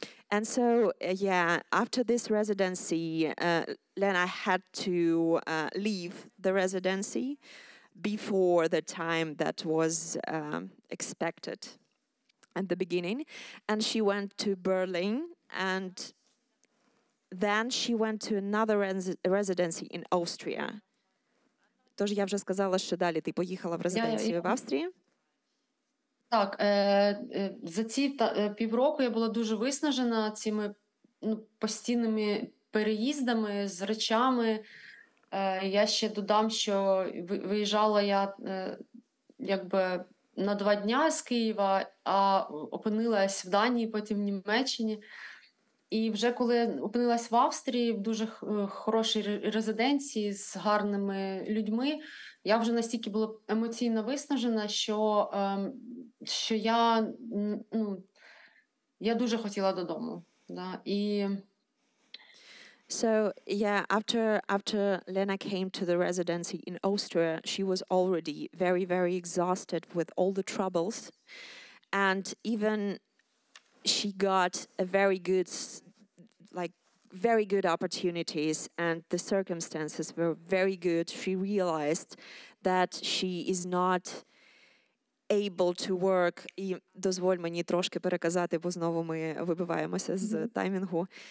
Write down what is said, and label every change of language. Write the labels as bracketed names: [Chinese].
[English] And so, after this residency, Lena had to leave the residency before the time that was expected at the beginning. And she went to Berlin, and then she went to another residency in Austria. [Ukrainian] Тож я вже сказала, що далі ти поїхала в резиденцію в Австрії. Так, за ці півроку я була дуже виснажена цими постійними переїздами з речами. Я ще додам, що виїжджала я якби на 2 дні з Києва, а опинилась в Данії, потім в Німеччині. І вже коли опинилась в Австрії, в дуже хорошій резиденції з гарними людьми, я вже настільки була емоційно виснажена, що я, я дуже хотіла додому. Да? І... [English] So, after Lena came to the residency in Austria, she was already very, very exhausted with all the troubles. And even she got a very good, like, very good opportunities, and the circumstances were very good. She realized that she is not able to work. [Ukrainian] І дозволь мені трошки переказати, бо знову ми вибиваємося з таймінгу.